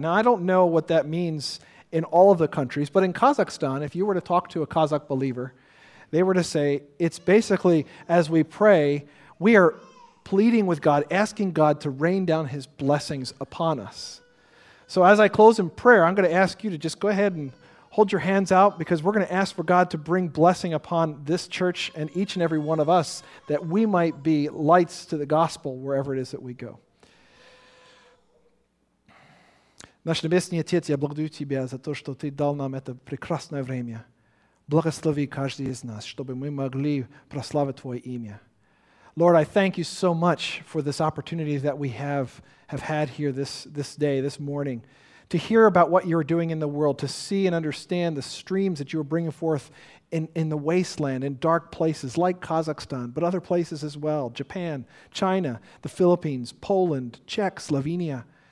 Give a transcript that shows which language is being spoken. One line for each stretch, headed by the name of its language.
English: Now, I don't know what that means in all of the countries, but in Kazakhstan, if you were to talk to a Kazakh believer, they were to say, it's basically as we pray, we are pleading with God, asking God to rain down his blessings upon us. So as I close in prayer, I'm going to ask you to just go ahead and hold your hands out, because we're going to ask for God to bring blessing upon this church and each and every one of us, that we might be lights to the gospel wherever it is that we go.
Russian: Наш небесный Отец, я благодарю Тебя за то, что Ты дал нам это прекрасное время. Благослови каждый из нас, чтобы мы могли прославить Твое имя.
English: Lord, I thank you so much for this opportunity that we have had here this day, this morning, to hear about what you're doing in the world, to see and understand the streams that you're bringing forth in the wasteland, in dark places like Kazakhstan, but other places as well, Japan, China, the Philippines, Poland, Czech, Slovenia.